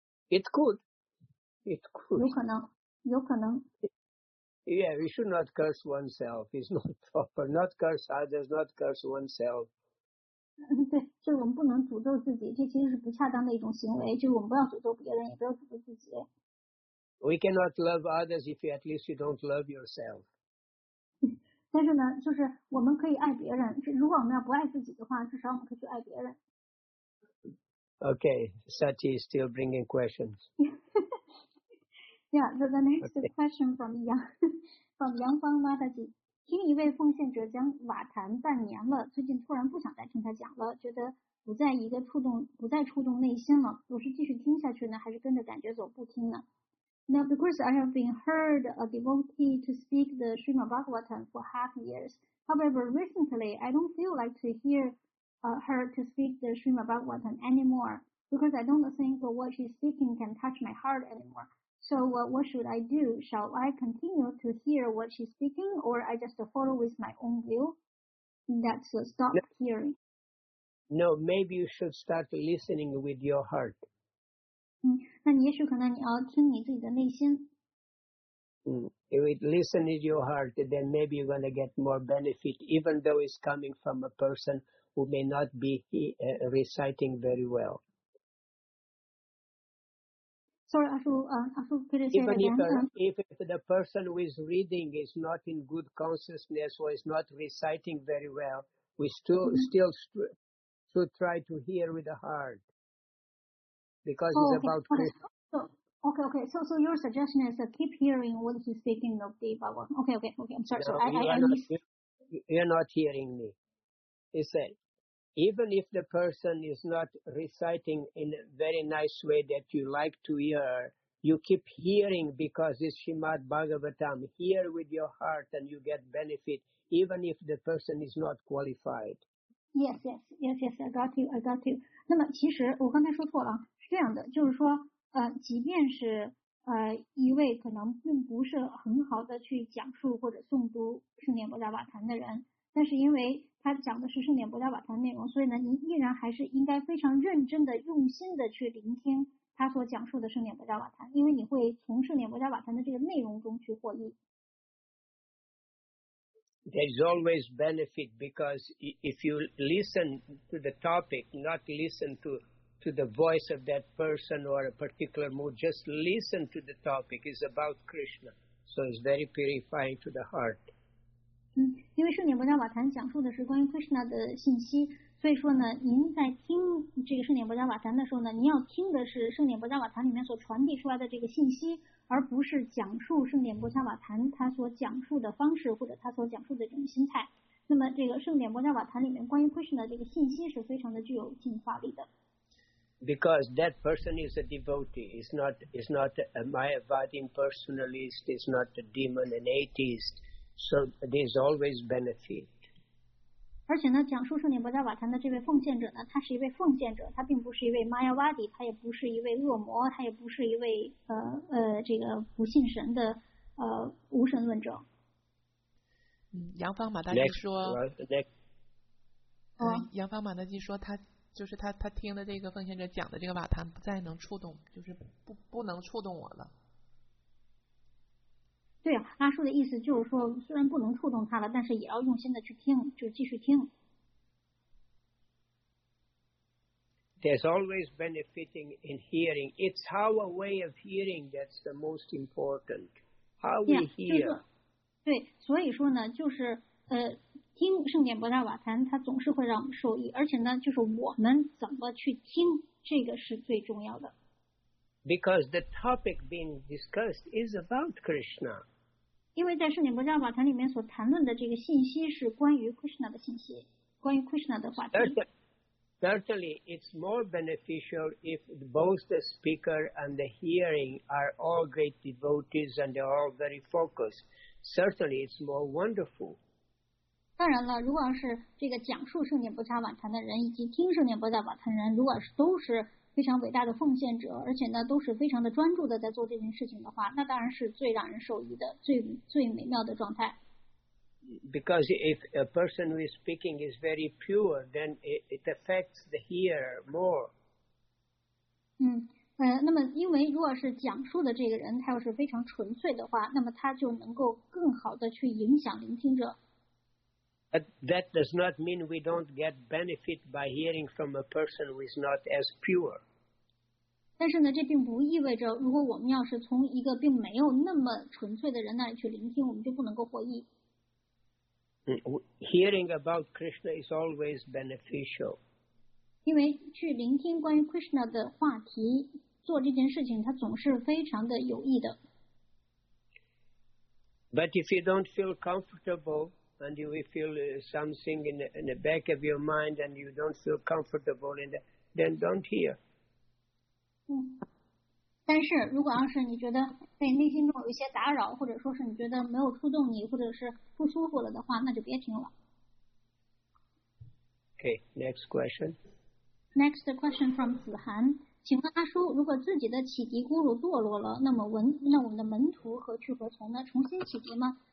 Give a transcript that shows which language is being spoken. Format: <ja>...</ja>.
<en>It could. It could.</en> <zh>有可能</zh> <en>Yeah, we should not curse oneself. It's not proper. Not curse others, not curse oneself.</en> <zh>对，就是我们不能诅咒自己，这其实是不恰当的一种行为，就是我们不要诅咒别人，也不要诅咒自己。</zh> <en>We cannot love others if at least you don't love yourself.</en> <zh>但是呢，就是我们可以爱别人，如果我们要不爱自己的话，至少我们可以去爱别人。</zh> <en>Okay, Sati is still bringing questions. Yeah, the next question from Yang Fang Mataji.</en> <zh>听一位奉献者讲瓦坛半年了，最近突然不想再听他讲了，觉得不再触动内心了。我是继续听下去呢，还是跟着感觉走不听呢？</zh> <en>Now, because I have been heard a devotee to speak the Srimad Bhagavatam for half years. However, recently, I don't feel like to hear her to speak the Srimad Bhagavatam anymore, because I don't think what she's speaking can touch my heart anymore. So what should I do? Shall I continue to hear what she's speaking, or I just follow with my own will? That's stop hearing. No, maybe you should start listening with your heart.</en> <zh>嗯，那你也许可能你要听你自己的内心。</zh> <en>嗯， if you listen with your heart, then maybe you're going to get more benefit, even though it's coming from a person who may not be reciting very well. Sorry, Ashu, could you say even if the person who is reading is not in good consciousness or is not reciting very well, we still,、mm-hmm. still should try to hear with the heart. Because it's about Krishna. So your suggestion is to keep hearing what he's speaking of the Bhagavan. You're not hearing me. He said. Even if the person is not reciting in a very nice way that you like to hear, you keep hearing because it's Srimad Bhagavatam. Hear with your heart and you get benefit, even if the person is not qualified. Yes, I got you.</en> <zh>那么其实我刚才说错了，是这样的，就是说即便是一位可能并不是很好的去讲述或者诵读圣莲菩萨瓦坛的人，但是因为他讲的是圣典菩萨瓦坛内容，所以呢，您依然还是应该非常认真的、用心的去聆听他所讲述的圣典菩萨瓦坛，因为你会从圣典菩萨瓦坛的这个内容中去获益。</zh> <en>There is always benefit because if you listen to the topic, not listen to the voice of that person or a particular mood, just listen to the topic is about Krishna, so it's very purifying to the heart.</en> <zh>嗯，因为圣典菩萨瓦坛讲述的是关于 Krishna 的信息，所以说呢，您在听这个圣典菩萨瓦坛的时候呢，您要听的是圣典菩萨瓦坛里面所传递出来的这个信息，而不是讲述圣典菩萨瓦坛他所讲述的方式或者他所讲述的这种心态。那么这个圣典菩萨瓦坛里面关于 Krishna 的这个信息是非常的具有净化力的。</zh> <en>Because that person is a devotee, is not a Mayavadi impersonalist, is not a demon, an atheist. So there is always benefit.</en> <zh>而且呢，讲述圣典菩萨瓦坛的这位奉献者呢，他是一位奉献者，他并不是一位 Mayavadi， 他也不是一位恶魔，他也不是一位这个不信神的无神论者。嗯，杨芳马大姐说，杨芳马大姐说，他听的这个奉献者讲的这个瓦坛不再能触动，就是不能触动我了。对，阿叔的意思就是说，虽然不能触动他了，但是也要用心的去听，就继续听。</zh> <en>there's always benefiting in hearing. It's how a way of hearing that's the most important. How we hear.</en> <zh>对，所以说呢，就是听圣典博达瓦坛，它总是会让我们受益，而且呢，就是我们怎么去听，这个是最重要的。</zh> <en>Because the topic being discussed is about Krishna.</en> <zh>因为在圣典博达瓦坛里面所谈论的这个信息是关于 Krishna 的信息，关于 Krishna 的话题。</zh> <en>Certainly, it's more beneficial if both the speaker and the hearing are all great devotees and they're all very focused. Certainly, it's more wonderful.</en> <zh>当然了，如果是这个讲述圣典博达瓦坛的人以及听圣典博达瓦坛人，如果是都是非常伟大的奉献者，而且呢都是非常的专注的在做这件事情的话，那当然是最让人受益的最美妙的状态。</zh> <en>Because if a person who is speaking is very pure, then it affects the hearer more.</en> <zh>那么因为如果是讲述的这个人他要是非常纯粹的话，那么他就能够更好的去影响聆听者。</zh> <en>But that does not mean we don't get benefit by hearing from a person who is not as pure.</en> <zh>但是呢，这并不意味着如果我们要是从一个并没有那么纯粹的人那里去聆听，我们就不能够获益。</zh> <en>Hearing about Krishna is always beneficial.</en> <zh>因为去聆听关于 Krishna 的话题，做这件事情，它总是非常的有益的。</zh> <en>But if you don't feel comfortable,And you feel something in the back of your mind, and you don't feel comfortable in that, then don't hear.</en> <zh>但是如果要是你觉得被内心中有一些打扰，或者说是你觉得没有触动你，或者是不舒服了的话，那就别听了。</zh> <en>Okay, next question. Next question from</en> <zh>子涵，请问阿叔，如果自己的启迪咕噜堕落了，那我们的门徒何去何从呢？重新启迪吗？</zh>